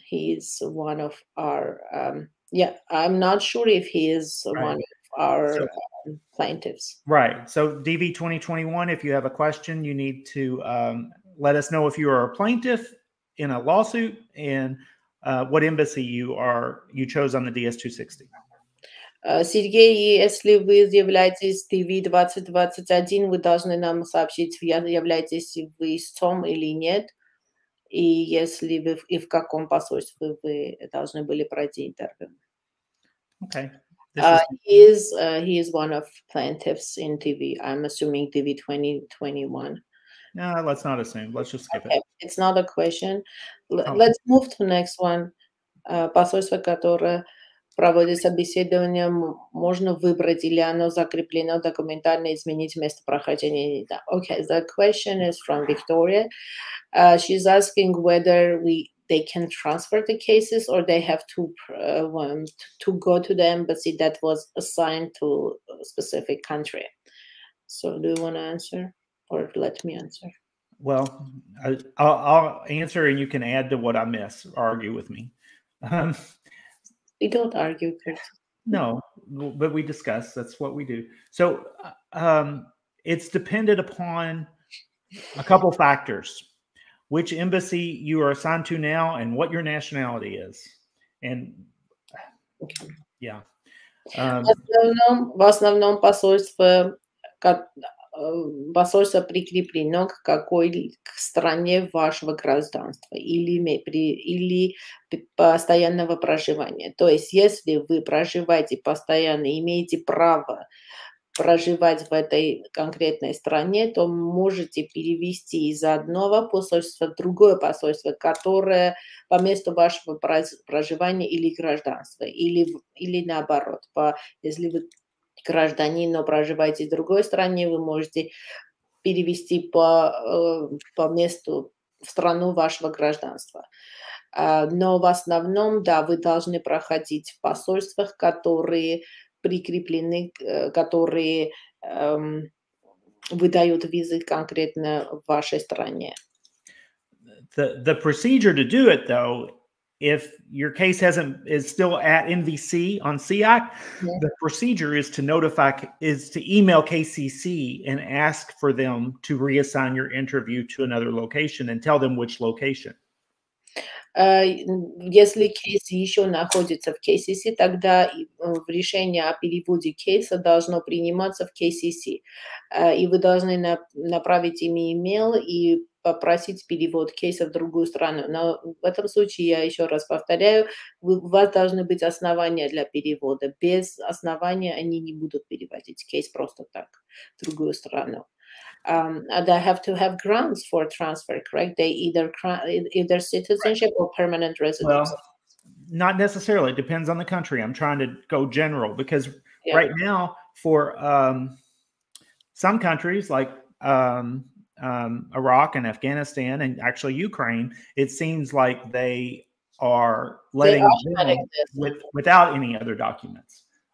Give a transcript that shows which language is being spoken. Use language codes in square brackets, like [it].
[en] He is one of our, I'm not sure if he is one of our plaintiffs. Right. So TV 2021, if you have a question, you need to let us know if you are a plaintiff in a lawsuit and what embassy you chose on the DS-260. [ru] Сергей, если вы являетесь TV-2021, вы должны нам сообщить, являетесь вы истцом или нет, и если вы и в каком посольстве вы должны были пройти интервью. [en] Okay. He is one of plaintiffs in TV. I'm assuming TV-2021. No, let's not assume. Let's just skip it. It's not a question. Let's move to next one. [ru] Посольство, которое проводить собеседование, можно выбрать, или оно закреплено документально, изменить место прохождения. [en] Okay, the question is from Victoria. She's asking whether they can transfer the cases or they have to go to the embassy that was assigned to a specific country. So do you want to answer or let me answer? Well, I'll answer and you can add to what I miss or argue with me. We don't argue, Chris. No, but we discuss. That's what we do. So it's dependent upon a couple factors, which embassy you are assigned to now and what your nationality is. And [ru] в основном посольство прикреплено к какой стране вашего гражданства или постоянного проживания. То есть, если вы проживаете постоянно, имеете право проживать в этой конкретной стране, то можете перевести из одного посольства в другое посольство, которое по месту вашего проживания или гражданства, или наоборот, если вы гражданин, но проживаете в другой стране, вы можете перевести по месту в страну вашего гражданства. Но в основном, да, вы должны проходить в посольствах, которые прикреплены, которые выдают визы конкретно в вашей стране. [en] The procedure to do it, though, if your case is still at NVC on CIAC, the procedure is to email KCC and ask for them to reassign your interview to another location and tell them which location. [ru] Если кейс еще находится в KCC, тогда решение о переводе кейса должно приниматься в KCC. И вы должны направить им email и попросить перевод кейса в другую страну. Но в этом случае, я еще раз повторяю, у вас должны быть основания для перевода. Без основания они не будут переводить кейс просто так в другую страну. [en] And they have to have grounds for transfer, correct? They either citizenship or permanent residence. Well, not necessarily. It depends on the country. I'm trying to go general because right now for some countries like Iraq and Afghanistan and actually Ukraine, it seems like they are letting them without any other documents.